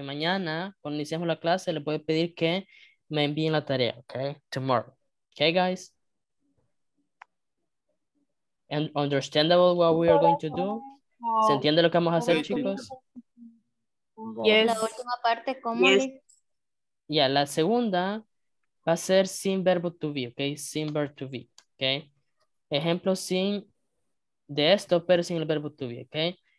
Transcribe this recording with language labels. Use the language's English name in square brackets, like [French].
[Spanish] Mañana, cuando iniciemos la clase, le voy a pedir que me envíen la tarea, okay? [English] Tomorrow. Okay, guys? And understandable what we are going to do? [Spanish] ¿Se entiende lo que vamos a hacer, chicos? [English] Yes. [Spanish] La última parte, ¿cómo es? Yeah, la segunda va a ser sin verbo to be, okay? Sin verbo to be, okay? Ejemplo sin de esto, pero sin el verbo to be, okay?